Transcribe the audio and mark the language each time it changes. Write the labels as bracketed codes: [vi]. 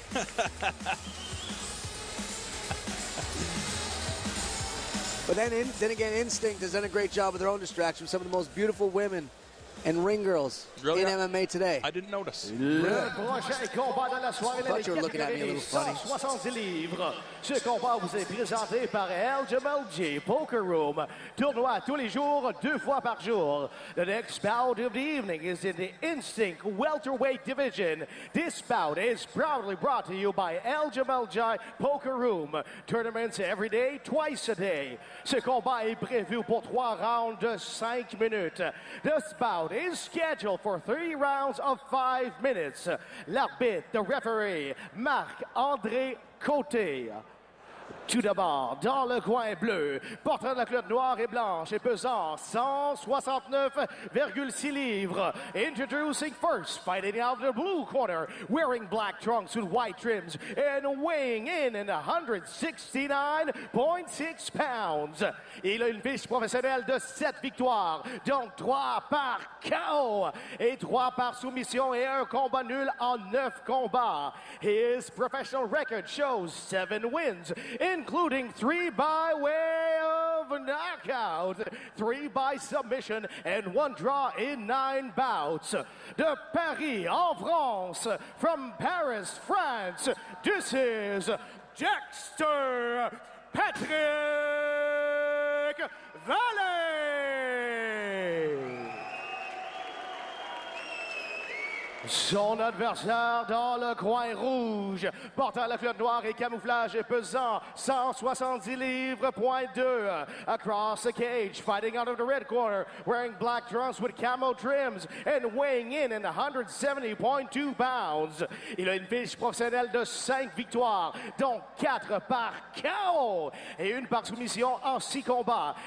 [en] But then again, Instinct has done a great job with their own distractions. Some of the most beautiful women and ring girls really in MMA today. I didn't notice. Yeah. I thought you were looking at me a little funny. [fr] Ce combat vous est présenté par LMLG Poker Room. Tournoi tous les jours, deux fois par jour. [en] The next bout of the evening is in the Instinct Welterweight Division. This bout is proudly brought to you by LMLG Poker Room. Tournaments every day, twice a day. [fr] Ce combat est prévu pour trois rounds de cinq minutes. [en] This bout is scheduled for three rounds of 5 minutes. [fr] L'arbitre, [en] the referee, [fr] Marc-André Côté. Tout d'abord, dans le coin bleu, portant la culotte noire et blanche et pesant 169,6 livres. [en] Introducing first, fighting out of the blue corner, wearing black trunks with white trims and weighing in 169.6 pounds. [fr] Il a une fiche professionnelle de 7 victoires, donc 3 par KO et 3 par soumission et un combat nul en 9 combats. [en] His professional record shows 7 wins, including 3 by way of knockout, 3 by submission, and 1 draw in 9 bouts. [fr] De Paris, en France, [en] from Paris, France, this is Dexter Patrick Vallee! [fr] Son adversaire dans le coin rouge, portant la culotte noire et camouflage et pesant 170 livres, point 2. [en] Across the cage, fighting out of the red corner, wearing black trunks with camo trims and weighing in 170.2 pounds. [fr] Il a une fiche professionnelle de 5 victoires, dont 4 par KO et une par soumission en 6 combats.